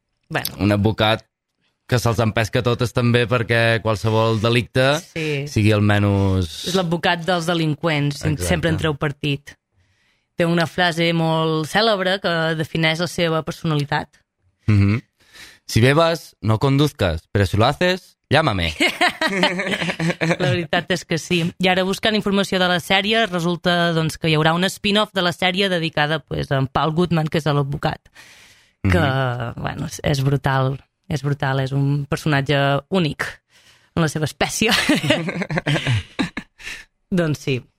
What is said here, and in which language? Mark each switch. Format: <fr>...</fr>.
<ca>Bueno. Un advocat que se'ls empesca totes també perquè qualsevol delicte sí. Sigui almenys... És l'advocat dels delinqüents, exacte. Sempre en treu partit. Té una frase molt cèlebre que defineix la seva personalitat. Mm-hmm.</ca> <es>Si bebes, no conduzcas, pero si lo haces, llámame.</es> <ca>La veritat és que sí. I ara, buscant informació de la sèrie, resulta doncs, que hi haurà un spin-off de la sèrie dedicada pues, a Paul Goodman, que és l'advocat, que mm-hmm. Bueno, és brutal... És brutal, és un personatge únic en la seva espècie. Doncs sí.</ca>